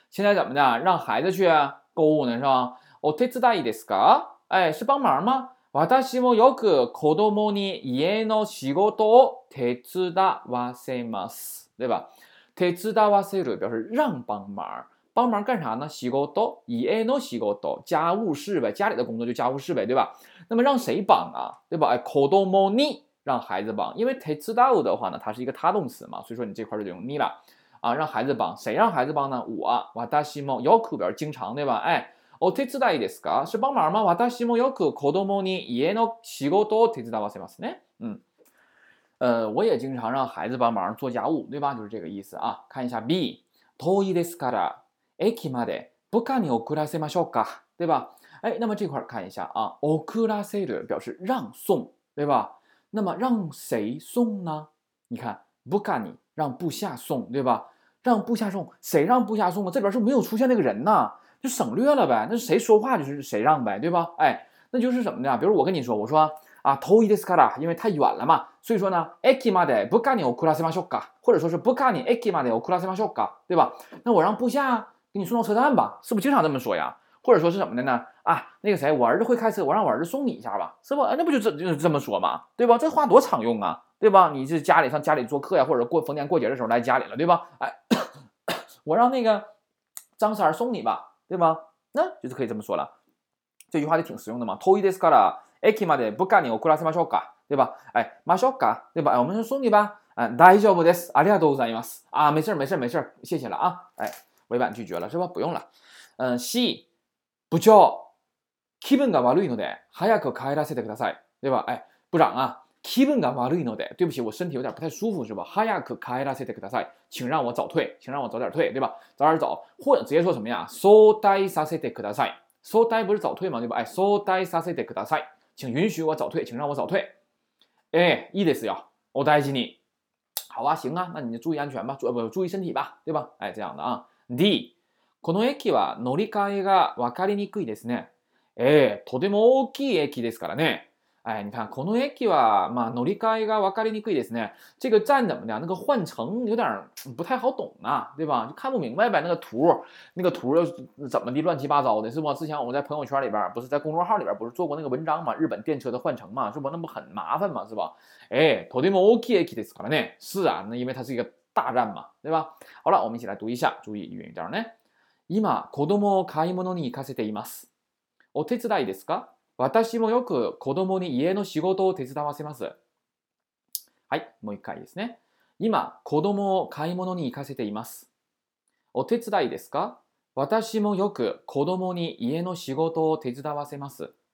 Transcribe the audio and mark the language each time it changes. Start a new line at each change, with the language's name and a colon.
Chinese: 现在怎么样？让孩子去购物呢？是吧？
Japanese: お手伝いですか？
Chinese: 哎，是帮忙吗？
Japanese: 私もよく子供に家の仕事を手伝わせます。
Chinese: 对吧？手伝わせる表示让帮忙。帮忙干啥呢？洗锅刀，以爱诺洗锅刀，家务事呗，家里的工作就家务事呗，对吧？那么让谁帮啊？对吧？哎，子供に让孩子帮，因为手伝う的话呢，它是一个他动词嘛，所以说你这块就用你了啊，让孩子帮，谁让孩子帮呢？我，私もよく表示经常，对吧？哎，
Japanese: お手伝いですか？
Chinese: 是帮忙吗？
Japanese: 私もよく子供に家の仕事を手伝わせますね。
Chinese: 嗯，我也经常让孩子帮忙做家务，对吧？就是这个意思啊。看一下
Japanese: B， 遠いですから。駅まで部下に送らせましょうか。
Chinese: 对吧。哎，那么这块看一下啊。送らせる表示让送。对吧。那么让谁送呢？你看部下に让部下送。对吧。让部下送。谁让部下送呢？这边是没有出现那个人呢。就省略了呗。那谁说话就是谁让呗。对吧。哎，那就是什么呢？比如我跟你说，我说啊，
Japanese: 遠いですから，
Chinese: 因为太远了嘛。所以说呢，
Japanese: 駅まで部下に送らせましょうか。
Chinese: 或者说是
Japanese: 部下に駅まで送らせましょうか。
Chinese: 对吧。那我让部下给你送到车站吧，是不是经常这么说呀？或者说是什么的呢？啊，那个谁，我儿子会开车，我让我儿子送你一下吧，是不？那不就这么说吗？对吧？这话多常用啊，对吧？你是家里上家里做客呀，或者过逢年过节的时候来家里了，对吧？哎，我让那个张三送你吧，对吧？那就是可以这么说了。这句话就挺实用的嘛。
Japanese: 遠いですから、駅まで部下に送らせましょうか，
Chinese: 对吧？
Japanese: 哎，ましょうか，对吧？哎，
Chinese: 我们就送你吧。
Japanese: 哎，大丈夫です。ありがとうございます。
Chinese: 啊，没事没事没事，谢谢了啊。哎。委婉拒绝了是吧？不用了。
Japanese: 嗯 ，C， 部長、気分が悪いので早く帰らせてください。
Chinese: 对吧？哎，部长啊，
Japanese: 気分が悪いので，
Chinese: 对不起，我身体有点不太舒服，是吧？
Japanese: 早く帰らせてください，
Chinese: 请让我早退，请让我早点退，对吧？早点走，或者直接说什么呀？
Japanese: 早退させてください。早退不是早退吗？对吧？哎，早退させてください，
Chinese: 请允许我早退，请让我早退。
Japanese: 哎，いいですよ。お大事に。
Chinese: 好啊，行啊，那你就注意安全吧，注意身体吧，对吧？哎，这样的啊。
Japanese: D、この駅は乗り換えが分かりにくいですね。ええ、とても大きい駅ですからね。
Chinese: 哎，你看
Japanese: この駅は、まあ乗り換えが分かりにくいですね。
Chinese: 这个站怎么的？那个换乘有点不太好懂啊，对吧？就看不明白呗，那个图又怎么的，乱七八糟的，是不？之前我们在朋友圈里边，不是在公众号里边，不是做过那个文章嘛？日本电车的换乘嘛，是不？那不很麻烦嘛，是吧？
Japanese: ええ、とても大きい駅ですからね。
Chinese: 是啊，那因为它是一个。大战嘛，对吧？好了，我们一起来读一下，注意语音点呢。
Japanese: 今、子供を買い物に行かせています。お手伝いですか？私もよく子供に家の仕事を手伝わせます。はい、もう一回ですね。今、子供を買い物に行かせています。お手伝いですか？私もよく子供に家の仕事を手伝わせます。